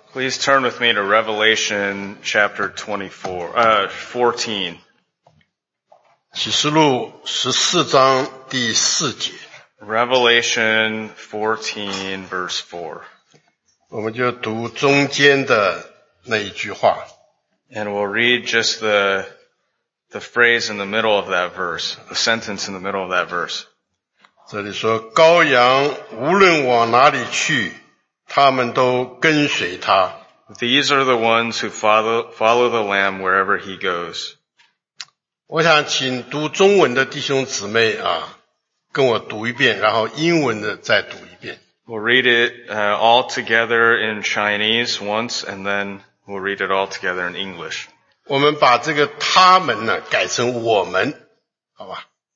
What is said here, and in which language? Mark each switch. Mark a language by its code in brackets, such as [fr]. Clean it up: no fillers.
[en] Please turn with me to Revelation chapter 14. [zh] 启示录十四章第四节。 [en] Revelation 14 verse 4. [zh] 我们就读中间的那一句话。 [en] And we'll read just the phrase in the middle of that verse, the sentence in the middle of that verse. [zh] 这里说羔羊无论往哪里去他们都跟随他。 [en] These are the ones who follow the lamb wherever he goes. [zh] 我想请读中文的弟兄姊妹啊跟我读一遍然后英文的再读一遍。 [en] We'll read it all together in Chinese once and then we'll read it all together in English. [zh] 我们把这个他们呢改成我们好吧。